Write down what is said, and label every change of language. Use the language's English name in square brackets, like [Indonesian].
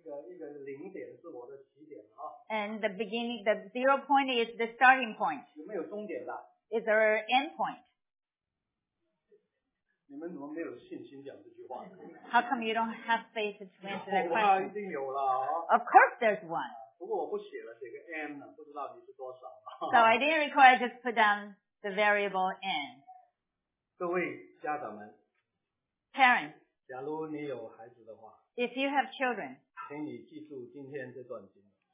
[Chinese] 一个零点是我的起点啊。 [English] And the beginning, the zero point is the starting point. [Chinese] 有没有终点的？ [English] Is there an end point? [Chinese] 你们怎么没有信心讲这句话？ [English] How come you don't have faith to answer that question? [Chinese] 有啊，一定有了啊。 [English] Of course there's one. [Chinese] 不过我不写了这个 M 呢，不知道你是多少。 [English] So I didn't record, I just put down. The variable n. [Chinese] 各位家长们 [English] ，parents， [Chinese] 假如你有孩子的话 [English] ，if you have children， [Chinese] 请你记住今天这段经文。